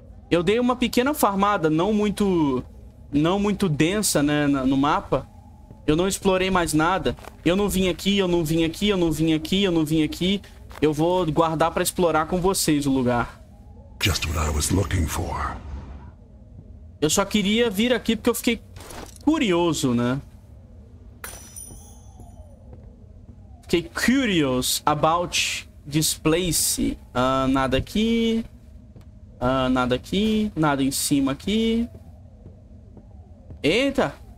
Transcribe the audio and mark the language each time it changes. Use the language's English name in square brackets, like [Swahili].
[Portuguese] Eu dei uma pequena farmada, não muito densa, né, no mapa. Eu não explorei mais nada. Eu não vim aqui, eu não vim aqui, eu não vim aqui, eu não vim aqui. Eu vou guardar pra explorar com vocês o lugar. [English] Just what I was looking for. [Portuguese] Eu só queria vir aqui porque eu fiquei curioso, né? Fiquei [English] curious about this place. [Portuguese] Nada aqui. Nada aqui. Nada em cima aqui. Eita!